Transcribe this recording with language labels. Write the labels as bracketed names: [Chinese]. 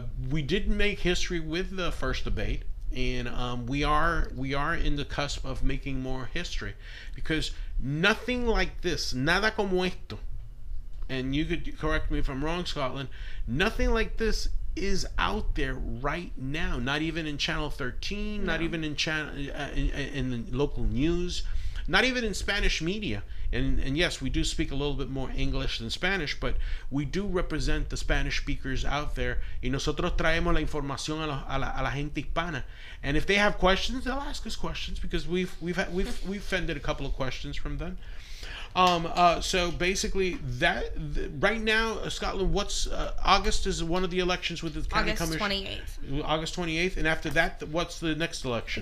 [English] we did make history with the first debate, and we are in the cusp of making more history, because nothing like this, [Spanish] nada como esto, [English] and you could correct me if I'm wrong, Scotland, nothing like this is out there right now, not even in Channel 13, no. Not even in channel in the local news, not even in Spanish media. And yes, we do speak a little bit more English than Spanish, but we do represent the Spanish speakers out there. [Spanish] Y nosotros traemos la información a la gente hispana. [English] And if they have questions, they'll ask us questions, because we've fended a couple of questions from them. Right now, Scotland, August is one of the elections with the county August commission. August 28th. And after that, what's the next election?